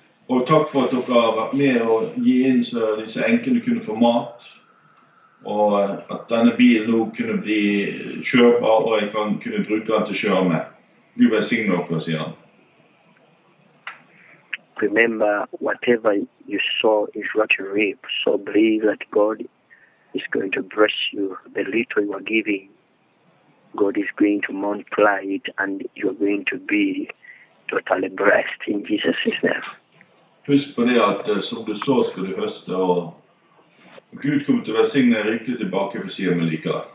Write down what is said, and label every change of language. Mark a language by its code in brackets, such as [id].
[no] Og takk for at dere har vært med og gi inn så disse enkene kunne få mat. Og at denne bilen nå kunne bli kjørbar, og jeg kan kunne bruke den til å kjøre med. Gud velsigne dere, sier han. [en] Remember, whatever you saw is what you reap. So believe that God is going to bless you. The little you are giving, God is going to multiply it, and you are going to be totally blessed in Jesus' name. [no] Husk på det at som du så skal du høste, og Gud kommer til å velsigne riktig tilbake for siden med lika.